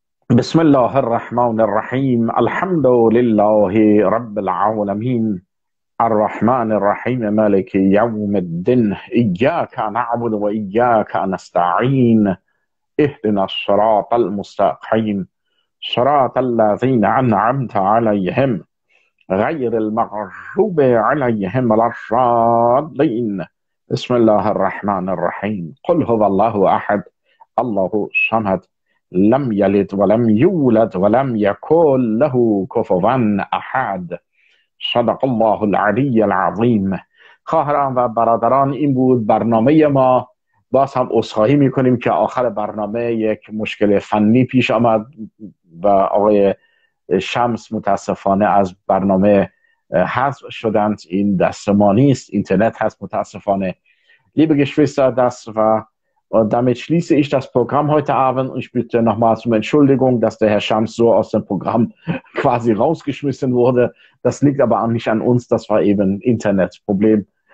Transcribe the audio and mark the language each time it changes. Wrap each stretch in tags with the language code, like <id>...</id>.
<ar>بسم الله الرحمن الرحيم الحمد لله رب العالمين الرحمن الرحيم مالك يوم الدين إياك نعبد وإياك نستعين اهدنا الصراط المستقيم صراط الذين أنعمت عليهم غير المغضوب عليهم ولا الضالين. بسم الله الرحمن الرحيم قل هو الله أحد الله الصمد لم يلد ولم يولد ولم يكن له كفوا احد صدق الله العلي العظيم.</ar> <fa>خواهران و برادران، این بود برنامه ما. باز هم عذرخواهی میکنیم که آخر برنامه یک مشکل فنی پیش آمد و آقای شمس متاسفانه از برنامه حذف شدند. این دست ما نیست، اینترنت هست متاسفانه.</fa> <de>Liebe Geschwister, das war. Und damit schließe ich das Programm heute Abend und ich bitte nochmals um Entschuldigung, dass der Herr Schams so aus dem Programm quasi rausgeschmissen wurde. Das liegt aber auch nicht an uns, das war eben Internetproblem.</de>